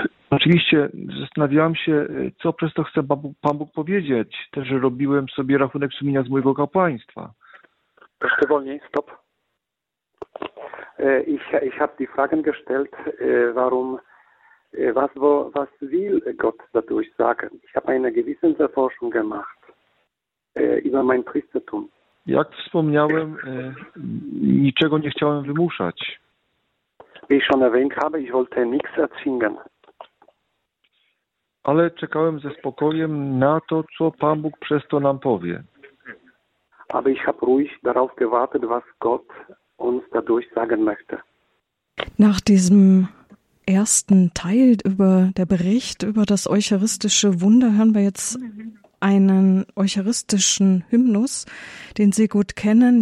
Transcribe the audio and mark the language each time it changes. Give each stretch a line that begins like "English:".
Polish: Oczywiście zastanawiałem się, co przez to chce Pan Bóg powiedzieć. Też robiłem sobie rachunek sumienia z mojego kapłaństwa. Proszę wolniej, stop.
German: Ich habe die Fragen gestellt, warum, was will Gott dadurch sagen? Ich habe eine Gewissensforschung gemacht über mein Priestertum.
Polish: Jak wspomniałem, niczego nie chciałem wymuszać.
German: Wie ich schon erwähnt habe, ich wollte nichts erzwingen.
Polish: Ale czekałem ze spokojem na to, co Pan Bóg przez to nam powie.
German: Aber ich habe ruhig darauf gewartet, was Gott uns dadurch sagen möchte. Nach diesem ersten Teil über der Bericht über das eucharistische Wunder hören wir jetzt einen eucharistischen Hymnus, den Sie gut kennen.